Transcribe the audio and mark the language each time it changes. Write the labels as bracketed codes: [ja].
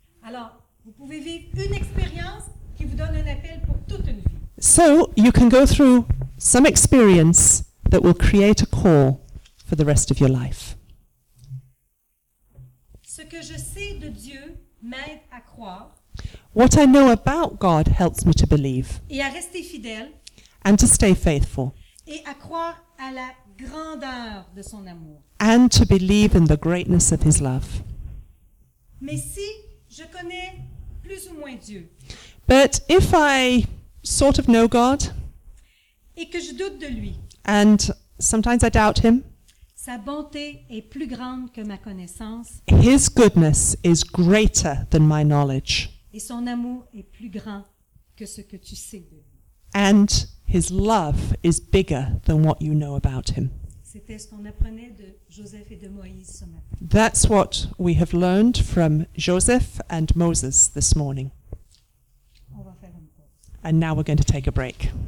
[fr] Alors, vous pouvez vivre une expérience qui vous donne un appel pour toute une vie. [en] So, you can go through some experience that will create a call for the rest of your life. [fr] Ce que je sais de Dieu m'aide à croire. [en] What I know about God helps me to believe. [fr] Et à rester fidèle. [en] And to stay faithful. [fr] Et à croire à la grandeur de son amour. [en] And to believe in the greatness of his love. [fr] Mais si je connais plus ou moins Dieu. [en] But if I sort of know God. [fr] Et que je doute de lui. [en] And sometimes I doubt him. [fr] Sa bonté est plus grande que ma connaissance. [en] His goodness is greater than my knowledge. [fr] Et son amour est plus grand que ce que tu sais de lui. [en] And his love is bigger than what you know about him. [fr] C'était ce qu'on apprenait de Joseph et de Moïse ce matin. [en] That's what we have learned from Joseph and Moses this morning. [fr] On va faire une pause. [en] And now we're going to take a break.